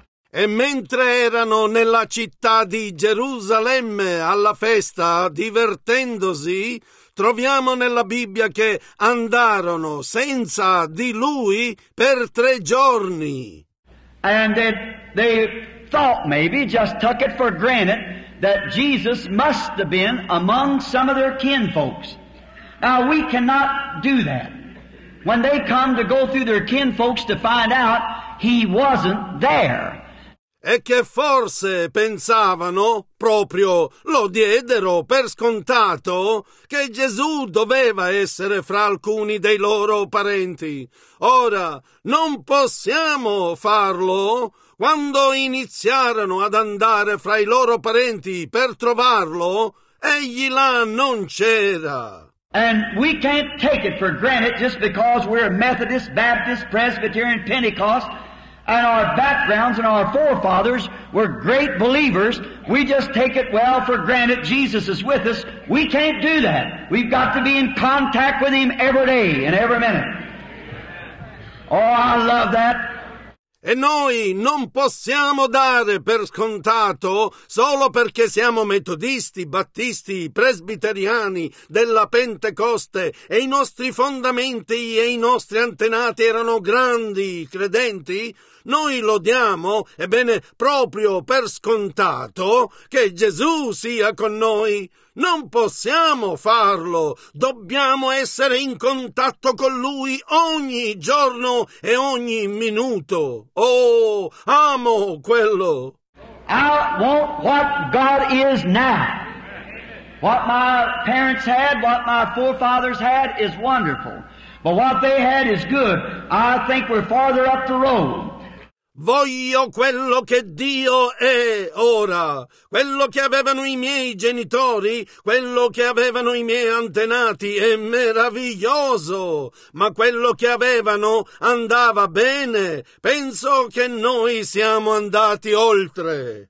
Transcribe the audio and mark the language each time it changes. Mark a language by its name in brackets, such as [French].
[Italian] E mentre erano nella città di Gerusalemme alla festa, divertendosi, Troviamo nella Bibbia che andarono senza di lui per 3 giorni. [English] And they thought maybe, just took it for granted, that Jesus must have been among some of their kinfolks. Now we cannot do that. When they come to go through their kinfolks to find out, he wasn't there. [Italian] E che forse pensavano, proprio lo diedero per scontato, che Gesù doveva essere fra alcuni dei loro parenti. Ora, non possiamo farlo. Quando iniziarono ad andare fra i loro parenti per trovarlo, egli là non c'era. [English] And we can't take it for granted just because we're Methodist, Baptist, Presbyterian, Pentecost, and our backgrounds and our forefathers were great believers. We just take it well for granted Jesus is with us. We can't do that. We've got to be in contact with him every day and every minute. Oh, I love that. [Italian] E noi non possiamo dare per scontato, solo perché siamo metodisti, battisti, presbiteriani della Pentecoste e i nostri fondamenti e i nostri antenati erano grandi credenti, noi lo diamo, ebbene, proprio per scontato, che Gesù sia con noi. Non possiamo farlo, dobbiamo essere in contatto con Lui ogni giorno e ogni minuto. Oh, amo quello! [English] I want what God is now. What my parents had, what my forefathers had is wonderful. But what they had is good. I think we're farther up the road. [Italian] Voglio quello che Dio è ora, quello che avevano i miei genitori, quello che avevano i miei antenati, è meraviglioso, ma quello che avevano andava bene, penso che noi siamo andati oltre.